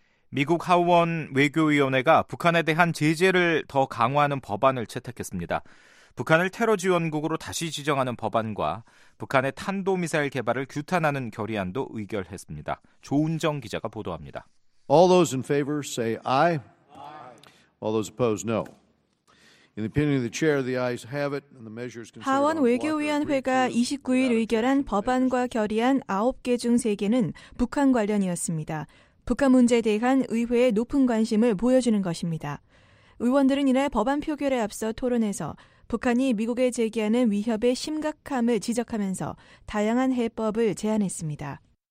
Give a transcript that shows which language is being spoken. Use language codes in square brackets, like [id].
[ko] 미국 하원 외교위원회가 북한에 대한 제재를 더 강화하는 법안을 채택했습니다. 북한을 테러 지원국으로 다시 지정하는 법안과 북한의 탄도미사일 개발을 규탄하는 결의안도 의결했습니다. 조은정 기자가 보도합니다. [en] All those in favor say aye. All those opposed, no. In the opinion of the chair, the ayes have it, and the measures. [ko] 하원 외교위원회가 29일 의결한 법안과 결의안 9개 중 3개는 북한 관련이었습니다. 북한 문제에 대한 의회의 높은 관심을 보여주는 것입니다. 의원들은 이날 법안 표결에 앞서 토론에서 북한이 미국에 제기하는 위협의 심각함을 지적하면서 다양한 해법을 제안했습니다.